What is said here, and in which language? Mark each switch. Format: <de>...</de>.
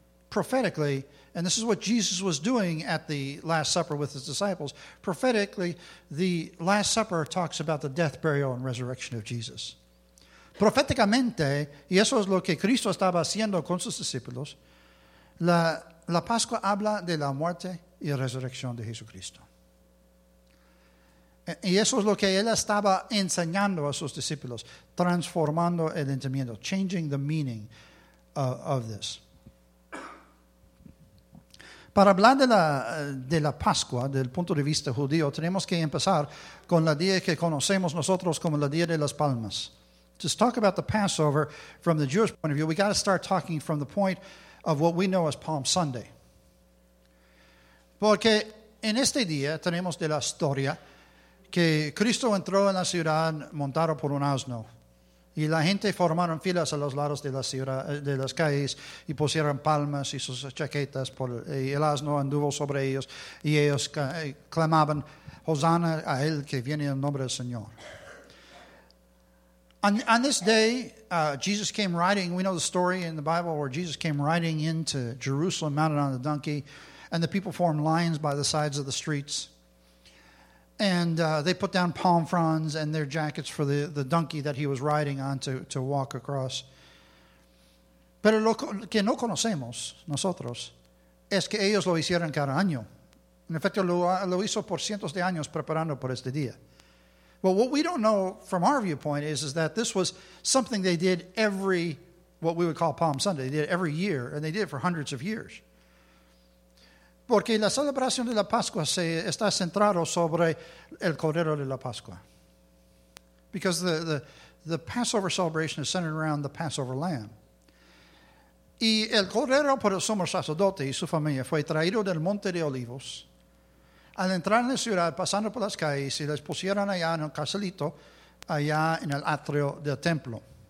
<en>Prophetically, and this is what Jesus was doing at the Last Supper with his disciples. Prophetically, the Last Supper talks about the death, burial, and resurrection of Jesus.</en> <es>Proféticamente, y eso es lo que Cristo estaba haciendo con sus discípulos, la, La Pascua habla de la muerte y resurrección de Jesucristo. Y eso es lo que él estaba enseñando a sus discípulos, transformando el entendimiento,</es> <en>changing the meaning of this.</en> <es>Para hablar de la Pascua, del punto de vista judío, tenemos que empezar con la día que conocemos nosotros como la Día de las Palmas.</es> <en>To talk about the Passover from the Jewish point of view, we got to start talking from the point of what we know as Palm Sunday.</en> <es>Porque en este día tenemos de la historia que Cristo entró en la ciudad montado por un asno. Y la gente formaron filas a los lados de la ciudad, de las calles, y pusieron palmas y sus chaquetas, y el asno anduvo sobre ellos, y ellos clamaban, Hosanna a él que viene en nombre del Señor.</es> <en>On this day, Jesus came riding, we know the story in the Bible where Jesus came riding into Jerusalem, mounted on a donkey, and the people formed lines by the sides of the streets. And they put down palm fronds and their jackets for the donkey that he was riding on to walk across.</en> <es>Pero lo que no conocemos nosotros es que ellos lo hicieron cada año. En efecto, lo hizo por cientos de años preparando por este día.</es> <en>Well, what we don't know from our viewpoint is that this was something they did every, what we would call Palm Sunday. They did it every year, and they did it for hundreds of years.</en> <es>Porque la celebración de la Pascua se está centrado sobre el Cordero de la Pascua.</es> <en>Because the Passover celebration is centered around the Passover lamb.</en> <es>Y el Cordero por el sumo sacerdote y su familia fue traído del Monte de Olivos. Al entrar en la ciudad, pasando por las calles, y les pusieron allá en el caselito, allá en el atrio del templo.</es>